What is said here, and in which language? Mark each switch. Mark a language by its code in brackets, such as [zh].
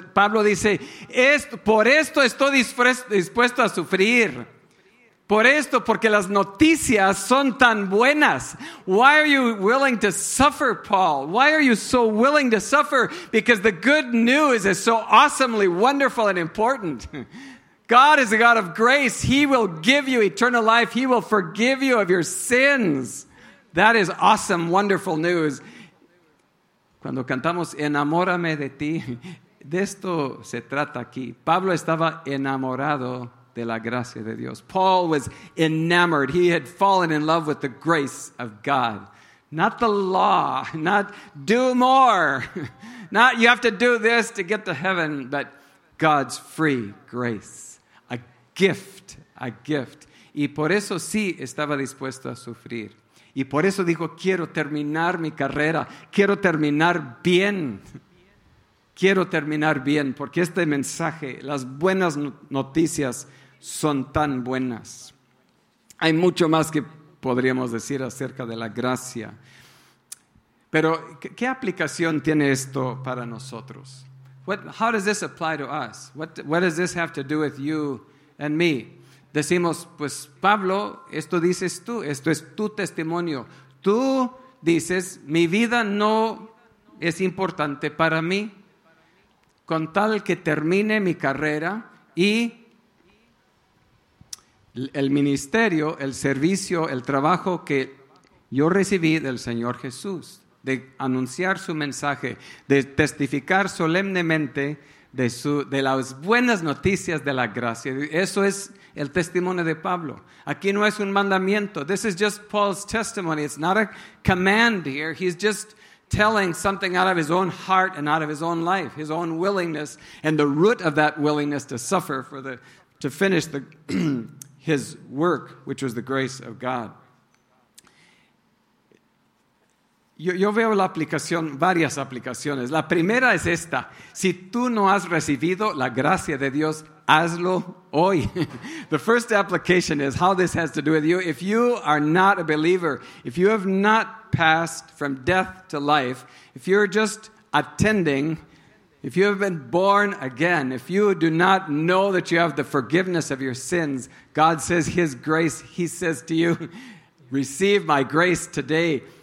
[es] Pablo dice, por esto estoy dispuesto a sufrir. Por esto, porque las noticias son tan buenas. [en] Why are you willing to suffer, Paul? Why are you so willing to suffer? Because the good news is so awesomely wonderful and important. God is a God of grace. He will give you eternal life. He will forgive you of your sins. That is awesome, wonderful news. [es] Cuando cantamos Enamórame de ti, de esto se trata aquí. Pablo estaba enamorado de la gracia de Dios. [en] Paul was enamored. He had fallen in love with the grace of God. Not the law, not do more. Not you have to do this to get to heaven, but God's free grace. A gift, a gift. [es] Y por eso sí estaba dispuesto a sufrir. Y por eso dijo, quiero terminar mi carrera. Quiero terminar bien. Quiero terminar bien. Porque este mensaje, las buenas noticias son tan buenas. Hay mucho más que podríamos decir acerca de la gracia. Pero, ¿qué aplicación tiene esto para nosotros? [en] How does this apply to us? What does this have to do with you and me? [es] Decimos, pues Pablo, esto dices tú, esto es tu testimonio. Tú dices, mi vida no es importante para mí, con tal que termine mi carrera y el ministerio, el servicio, el trabajo que yo recibí del Señor Jesús, de anunciar su mensaje, de testificar solemnemente de las buenas noticias de la gracia. Eso es el testimonio de Pablo. Aquí no es un mandamiento. [en] This is just Paul's testimony. It's not a command here. He's just telling something out of his own heart and out of his own life, his own willingness, and the root of that willingness to suffer to finish his work, which was the grace of God. [es] Yo veo la aplicación, varias aplicaciones. La primera es esta. Si tú no has recibido la gracia de Dios, hazlo hoy. [en] The first application is how this has to do with you. If you are not a believer, if you have not passed from death to life, if you're just attending, if you have been born again, if you do not know that you have the forgiveness of your sins, God says his grace, he says to you, receive my grace today.